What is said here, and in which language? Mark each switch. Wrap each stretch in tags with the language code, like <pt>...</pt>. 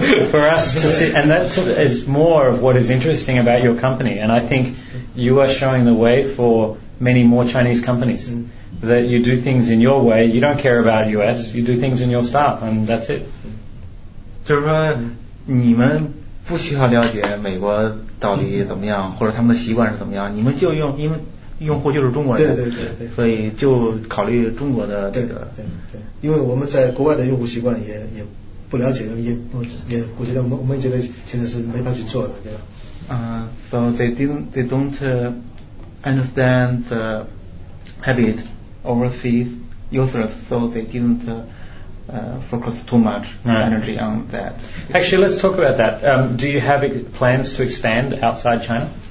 <en>For us to see, and that is more of what is interesting about your company, and I think you are showing the way for many more Chinese companies, that you do things in your way, you don't care about US, you do things in your style, and that's it.</en> <zh>就是说你们不需要了解美国到底怎么样，或者他们的习惯是怎么样，你们就用，因为用户就是中国人，对对对，所以就考虑中国的这个，对对对，因为我们在国外的用户习惯也不了解，也我觉得我们觉得现在是没法去做的，对吧？</zh> <en>So they don't understand the habit overseas users, so they didn't focus too much energy on that. Actually, let's talk about that. Do you have plans to expand outside China?</en>